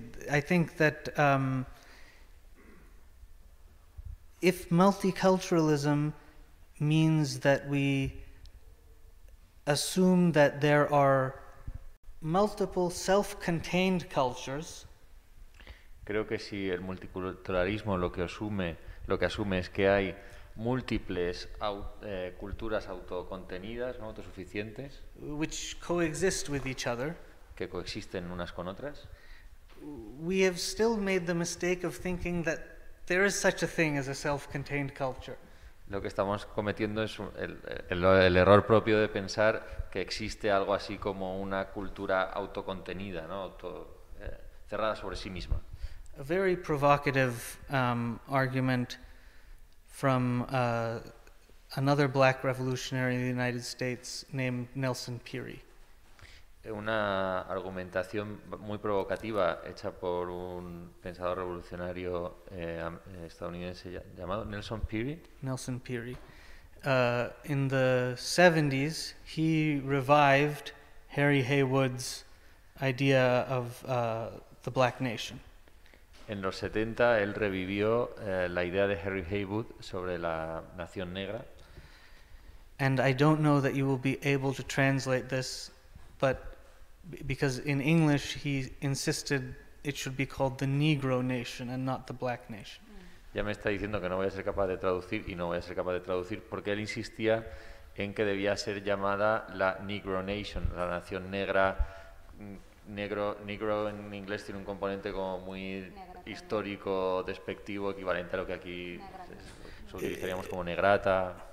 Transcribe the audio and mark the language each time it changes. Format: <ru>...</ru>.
<en>I think that if multiculturalism means that we assume that there are multiple self-contained cultures,</en> <es>creo que si el multiculturalismo lo que asume es que hay múltiples culturas autocontenidas, no autosuficientes,</es> <en>which coexist with each other,</en> <es>que coexisten unas con otras,</es> <en>we have still made the mistake of thinking that there is such a thing as a self-contained culture.</en> <es>Lo que estamos cometiendo es el error propio de pensar que existe algo así como una cultura autocontenida, no, cerrada sobre sí misma.</es> <en>A very provocative argument from another black revolutionary in the United States named Nelson Peary.</en> <es>Una argumentación muy provocativa hecha por un pensador revolucionario estadounidense llamado Nelson Peary.</es> <en>Nelson Peary. In the 70s, he revived Harry Haywood's idea of the black nation.</en> <es>En los 70, él revivió la idea de Harry Haywood sobre la nación negra.</es> <en>And I don't know that you will be able to translate this, but because in English he insisted it should be called the Negro Nation and not the Black Nation.</en> <es>Ya me está diciendo que no voy a ser capaz de traducir y no voy a ser capaz de traducir porque él insistía en que debía ser llamada la Negro Nation, la nación negra. Negro en inglés tiene un componente como muy histórico, despectivo, equivalente a lo que aquí utilizaríamos como negrata.</es>